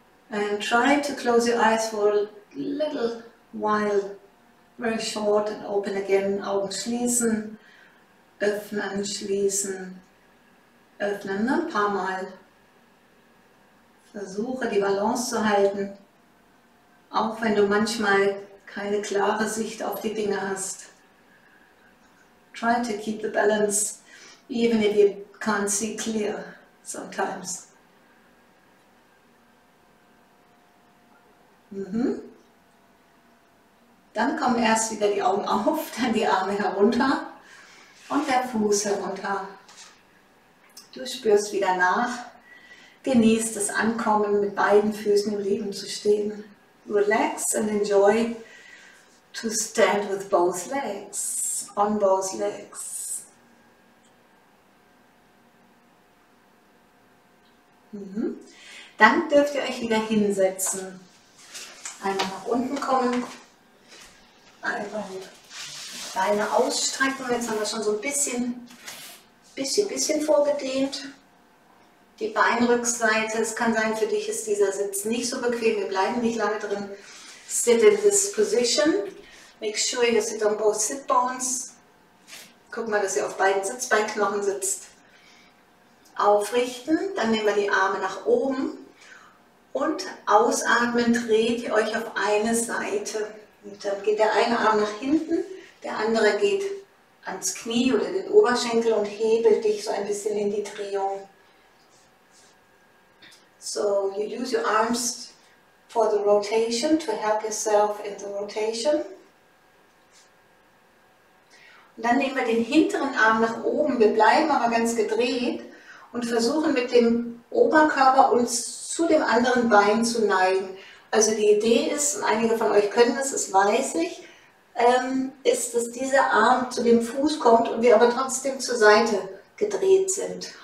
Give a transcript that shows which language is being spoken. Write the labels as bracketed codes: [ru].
[en] And try to close your eyes for a little while, very short, and open again. [de] Augen schließen, öffnen, schließen, öffnen, ein paar Mal. Versuche die Balance zu halten, auch wenn du manchmal keine klare Sicht auf die Dinge hast. [en] Try to keep the balance, even if you can't see clear sometimes. [de] Dann kommen erst wieder die Augen auf, dann die Arme herunter und der Fuß herunter. Du spürst wieder nach. Genieß das Ankommen, mit beiden Füßen im Leben zu stehen. [en] Relax and enjoy to stand with both legs, on both legs. [de] Dann dürft ihr euch wieder hinsetzen. Einmal nach unten kommen. Einmal Beine ausstrecken. Jetzt haben wir schon so ein bisschen vorgedehnt. Die Beinrückseite. Es kann sein, für dich ist dieser Sitz nicht so bequem. Wir bleiben nicht lange drin. [en] Sit in this position. Make sure you sit on both sit bones. [de] Guck mal, dass ihr auf beiden Sitzbeinknochen sitzt. Aufrichten, dann nehmen wir die Arme nach oben und ausatmen, dreht ihr euch auf eine Seite. Und dann geht der eine Arm nach hinten, der andere geht ans Knie oder den Oberschenkel und hebelt dich so ein bisschen in die Drehung. [en] So, you use your arms for the rotation, to help yourself in the rotation. [de] Und dann nehmen wir den hinteren Arm nach oben, wir bleiben aber ganz gedreht. Und versuchen mit dem Oberkörper uns zu dem anderen Bein zu neigen. Also die Idee ist, und einige von euch können das, das weiß ich, ist, dass dieser Arm zu dem Fuß kommt und wir aber trotzdem zur Seite gedreht sind.